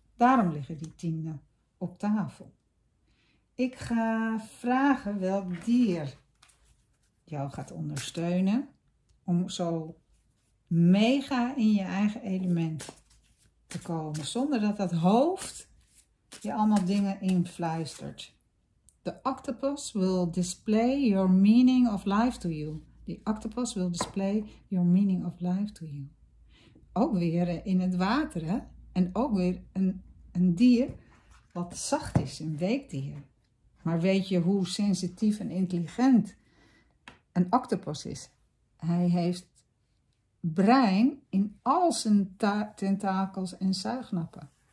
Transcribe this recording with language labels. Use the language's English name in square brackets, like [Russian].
[Dutch] Daarom liggen die tienden op tafel. Ik ga vragen welk dier jou gaat ondersteunen om zo mega in je eigen element te komen. Zonder dat dat hoofd je allemaal dingen influistert. [English] The octopus will display your meaning of life to you. The octopus will display your meaning of life to you. [Dutch] Ook weer in het water, hè? En ook weer een dier wat zacht is, een weekdier. Maar weet je hoe sensitief en intelligent een octopus is? Hij heeft brein in al zijn tentakels en zuignappen.